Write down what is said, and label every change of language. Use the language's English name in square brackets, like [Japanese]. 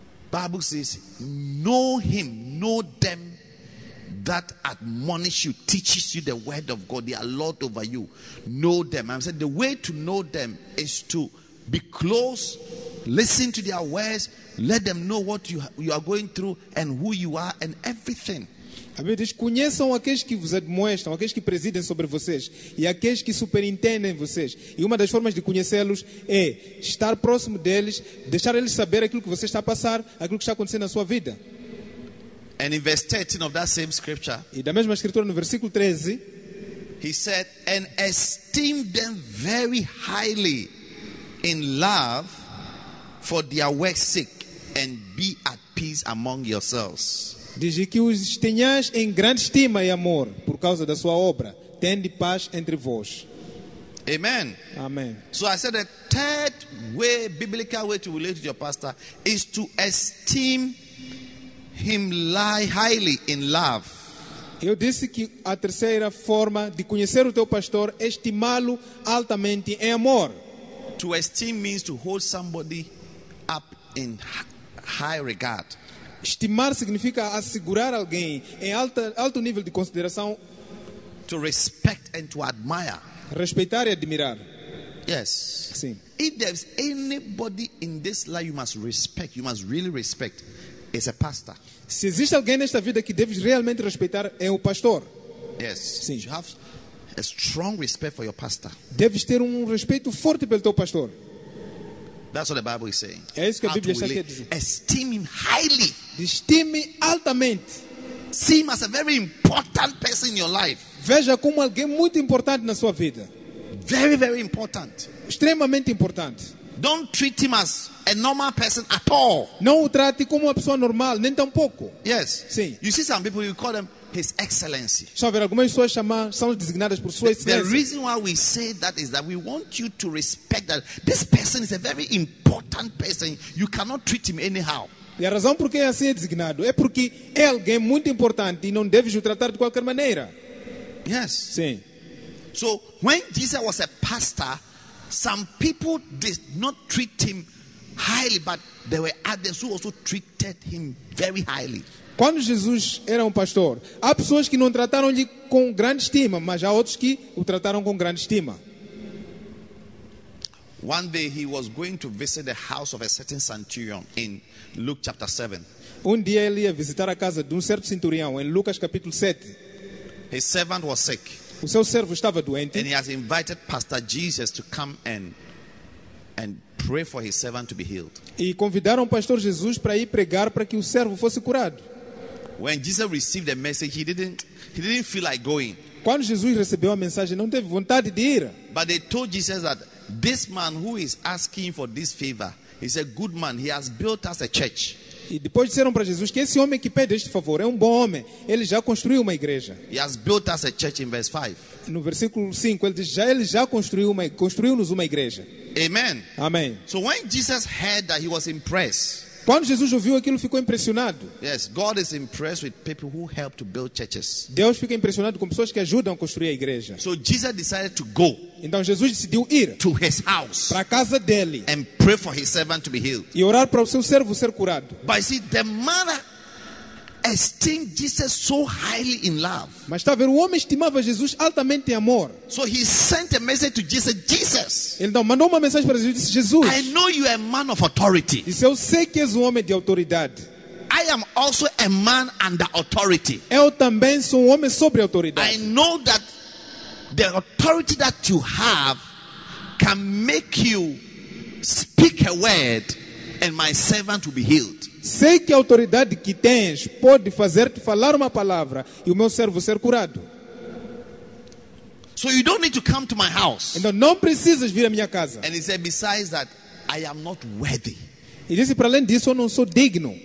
[English] Bible says, know him, know them that admonish you, teaches you the word of God, they are lord over you. Know them. I said the way to know them is to be close, listen to their words, let them know what you are going through and who you are and everything. [Portuguese] A Bíblia diz, conheçam aqueles que vos admoestam, aqueles que presidem sobre vocês e aqueles que superintendem vocês. E uma das formas de conhecê-los é estar próximo deles, deixar eles saber aquilo que você está a passar, aquilo que está acontecendo na sua vida. [English] And in verse 13 of that same scripture, [Portuguese] e da mesma escritura no versículo 13, [English] he said, and esteem them very highly in love for their work's sake and be at peace among yourselves. [Portuguese] Diz que os tenhais em grande estima e amor por causa da sua obra, tende paz entre vós. [English] Amen. Amen. So I said the third way, biblical way to relate to your pastor is to esteem him highly in love. [Portuguese] Eu disse que a terceira forma de conhecer o teu pastor é estimá-lo altamente em amor. [English] To esteem means to hold somebody up in high regard. [Portuguese] Estimar significa assegurar alguém em alto nível de consideração. [English] To respect and to admire. [Portuguese] Respeitar e admirar. [English] Yes. [Portuguese] Sim. [English] If there's anybody in this life you must respect, you must really respect, it's a pastor. [Portuguese] Se existe alguém nesta vida que deves realmente respeitar, é o pastor. [English] Yes. [Portuguese] Sim. [English] You have a strong respect for your pastor. [Portuguese] Deves ter respeito forte pelo teu pastor. [English] That's what the Bible is saying. [Portuguese] É isso que a Bíblia está aqui a dizer. [English] Esteem him highly. [Portuguese] Estime altamente. [English] See him as a very important person in your life. [Portuguese] Veja como alguém muito importante na sua vida. [English] Very, very important. [Portuguese] Extremamente importante. [English] Don't treat him as a normal person at all. [Portuguese] Não o trate como uma pessoa normal, nem tampouco. [English] Yes. [Portuguese] Sim. [English] You see some people, you call them His Excellency. [Portuguese] Só ver algumas pessoas chamar, são designadas por sua excelência. [English] The reason why we say that is that we want you to respect that this person is a very important person. You cannot treat him anyhow. [Portuguese] E a razão por que é assim designado é porque é alguém muito importante e não deves o tratar de qualquer maneira. [English] Yes. [Portuguese] Sim. [English] So when Jesus was a pastor, some people did not treat him highly, but there were others who also treated him very highly. [Portuguese] Quando Jesus era um pastor, há pessoas que não trataram-lhe com grande estima, mas há outros que o trataram com grande estima. [English] One day he was going to visit the house of a certain centurion in Luke chapter 7. [Portuguese] Um dia ele ia visitar a casa de um certo centurião em Lucas capítulo 7. [English] His servant was sick. [Portuguese] O seu servo estava doente. [English] And he has invited Pastor Jesus to come and pray for his servant to be healed. [Portuguese] E convidaram o pastor Jesus para ir pregar para que o servo fosse curado. [English] When Jesus received the message, he didn't feel like going. [Portuguese] Quando Jesus recebeu a mensagem, não teve vontade de ir. [English] But they told Jesus that this man who is asking for this favor is a good man. He has built us a church. [Portuguese] E depois disseram para Jesus que esse homem que pede este favor é um bom homem. Ele já construiu uma igreja. [English] He has built us a church in verse 5. [Portuguese] No versículo 5 ele diz já ele já construiu-nos uma igreja. [English] Amen. [Portuguese] Amém. [English] So when Jesus heard that he was impressed. [Portuguese] Quando Jesus ouviu aquilo, ficou impressionado. [English] Yes, God is impressed with people who help to build churches. [Portuguese] Deus fica impressionado com pessoas que ajudam a construir a igreja. [English] So Jesus decided to go. [Portuguese] Então Jesus decidiu ir [English] to his house. [Portuguese] Para a casa dele. [English] And pray for his servant to be healed. [Portuguese] E orar para o seu servo ser curado. [English] But see, the man esteemed Jesus so highly in love. [Portuguese] Mas está a ver, o homem estimava Jesus altamente em amor. [English] So he sent a message to Jesus. Jesus. [Portuguese] Ele então mandou uma mensagem para Jesus. Jesus. [English] I know you are a man of authority. [Portuguese] Disse, eu sei que és um homem de autoridade. [English] I am also a man under authority. [Portuguese] Eu também sou um homem sobre autoridade. [English] I know that the authority that you have can make you speak a word and my servant will be healed. [Portuguese] Sei que a autoridade que tens pode fazer-te falar uma palavra e o meu servo ser curado. [English] So you don't need to come to my house. [Portuguese] Então não precisas vir à minha casa. [English] And he said, besides that, I am not worthy. [Portuguese] E disse, para além disso, eu não sou digno.